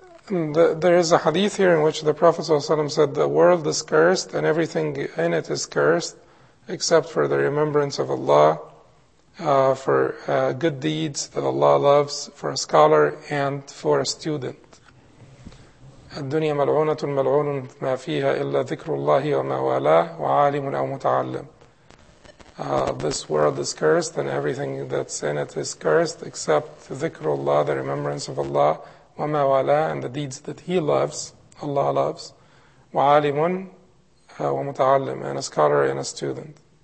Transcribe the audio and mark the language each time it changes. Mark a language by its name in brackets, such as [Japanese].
[English] There is a hadith here in which the Prophet ﷺ said, the world is cursed and everything in it is cursed except for the remembrance of Allah, for good deeds that Allah loves, for a scholar and for a student. [Arabic] الدنيا ملعونة ملعون ما فيها إلا ذكر الله وما والاه وعالم أو متعلم. [English] This world is cursed and everything that's in it is cursed except [Arabic] ذكر الله, [English] the remembrance of Allah, [Arabic] وما والاه, [English] and the deeds that he loves, Allah loves, [Arabic] وعالم ومتعلم, [English] and a scholar and a student.